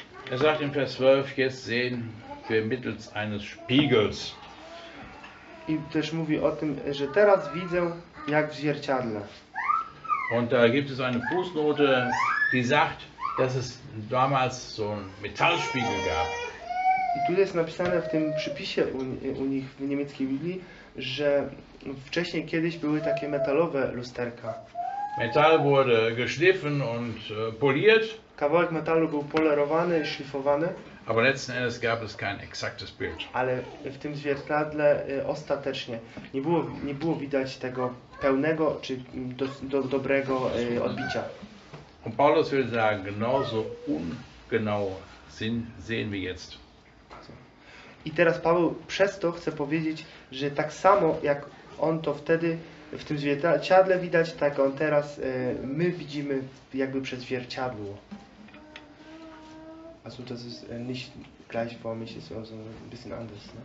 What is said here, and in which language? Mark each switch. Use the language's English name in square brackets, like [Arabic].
[German] Er sagt in Vers 12, jetzt sehen wir mittels eines Spiegels. [Polish] I też mówi o tym, że teraz widzę jak w zwierciadle. [German] Und da gibt es eine Fußnote, die sagt, dass es damals so ein Metallspiegel gab. [Polish] I tu jest napisane w tym przypisie u nich w niemieckiej Biblii, że wcześniej kiedyś były takie metalowe lusterka. [German] Metal wurde geschliffen und poliert. [Polish] Kawałek metalu był polerowany i szlifowany. [German] Aber letzten Endes gab es kein exaktes Bild. [Polish] Ale w tym zwierciadle ostatecznie nie było widać tego pełnego czy dobrego odbicia. [German] Und Paulus will sagen, genauso ungenau sehen wir jetzt. [Polish] I teraz Paweł przez to chce powiedzieć, że tak samo jak on to wtedy w tym zwierciadle widać, tak on teraz my widzimy jakby przez zwierciadło. [German] Also das ist nicht gleichförmig, ist also ein bisschen anders, ne?